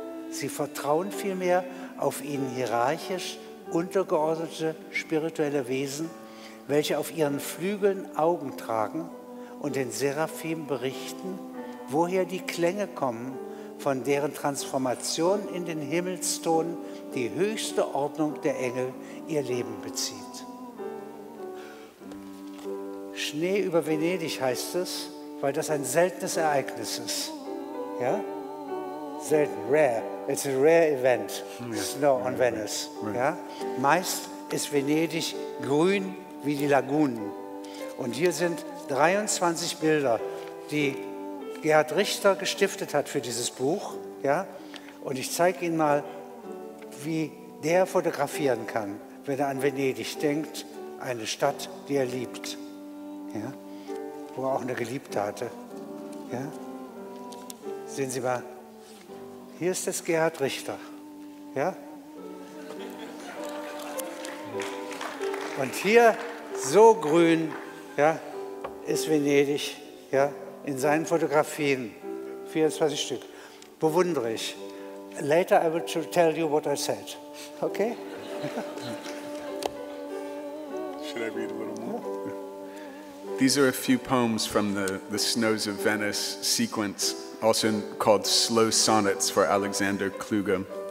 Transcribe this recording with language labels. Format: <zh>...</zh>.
<de>Sie vertrauen vielmehr auf ihnen hierarchisch untergeordnete spirituelle Wesen, welche auf ihren Flügeln Augen tragen und den Seraphim berichten, woher die Klänge kommen, von deren Transformation in den Himmelston die höchste Ordnung der Engel ihr Leben bezieht. Schnee über Venedig heißt es, weil das ein seltenes Ereignis ist. Ja? Selten, rare.</de> <en>It's a rare event, snow on Venice.</en> <de>Ja? Meist ist Venedig grün wie die Lagunen. Und hier sind 23 Bilder, die Gerhard Richter gestiftet hat für dieses Buch. Ja? Und ich zeige Ihnen mal, wie der fotografieren kann, wenn er an Venedig denkt, eine Stadt, die er liebt. Ja? Wo er auch eine Geliebte hatte. Ja? Sehen Sie mal, hier ist das Gerhard Richter. Ja? Und hier, so grün, ja, ist Venedig, ja, in seinen Fotografien, 24 Stück, bewundere ich.</de> <en>Later I will tell you what I said, okay? Should I read a little more? Yeah. These are a few poems from the Snows of Venice sequence, also called Slow Sonnets for Alexander Kluge.</en>